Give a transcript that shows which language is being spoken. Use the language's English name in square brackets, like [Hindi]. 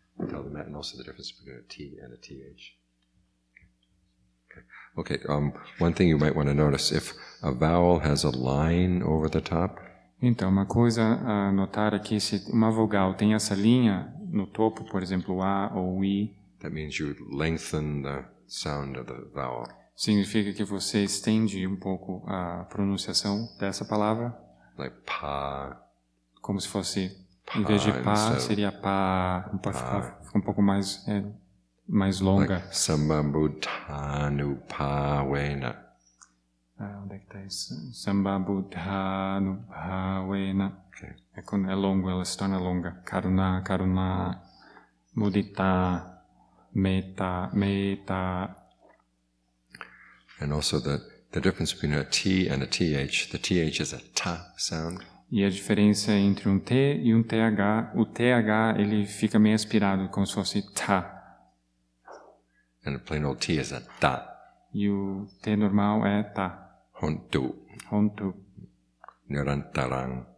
[English] Tell them that, and also the difference between a T and a TH. Okay. One thing you might want to notice: if a vowel has a line over the top. [Portuguese] Então, uma coisa a notar é que se uma vogal tem essa linha no topo, por exemplo, a ou o i. [English] That means you lengthen the sound of the vowel. [Portuguese] Significa que você estende um pouco a pronunciação dessa palavra. [English] Like pa. [Portuguese] Como se fosse. Pa, em vez de pá, seria pá, fica um pouco mais, mais longa. [English] Like, sambabuddhanubhavena. [Portuguese] Ah, onde é que está isso? Sambabuddhanubhavena. [English] Okay. [Portuguese] É quando é longo, ela se torna longa. [Pali] Karuna, karuna, mudita, meta, meta. [English] And also the difference between a T and a TH. The TH is a ta sound. [Portuguese] E a diferença entre um T e um TH, o TH ele fica meio aspirado, como se fosse TA. [English] And a plain old T is a TA. [Portuguese] E o T normal é TA. [Pali] HONTU. HONTU. NIRANTARANG.